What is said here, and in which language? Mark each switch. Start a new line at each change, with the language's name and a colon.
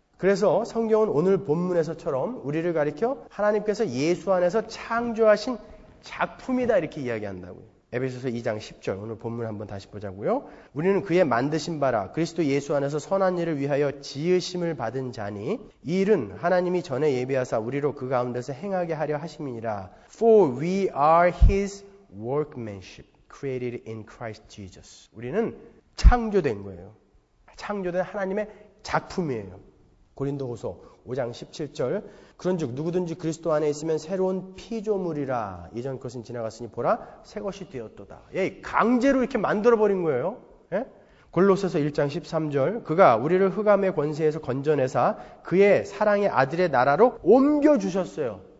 Korean: 그래서 성경은 오늘 본문에서처럼 우리를 가리켜 하나님께서 예수 안에서 창조하신 작품이다 이렇게 이야기한다고요. 에베소서 2장 10절 오늘 본문 한번 다시 보자고요. 우리는 그의 만드신 바라 그리스도 예수 안에서 선한 일을 위하여 지으심을 받은 자니 이 일은 하나님이 전에 예비하사 우리로 그 가운데서 행하게 하려 하심이니라.
English: For we are his workmanship created in Christ Jesus.
Korean: 우리는 창조된 거예요. 창조된 하나님의 작품이에요. 고린도후서 5장 17절 그런즉 누구든지 그리스도 안에 있으면 새로운 피조물이라 이전 것은 지나갔으니 보라 새 것이 되었도다. 예, 강제로 이렇게 만들어버린 거예요. 예? 골로새서 1장 13절 그가 우리를 흑암의 권세에서 건져내사 그의 사랑의 아들의 나라로 옮겨주셨어요.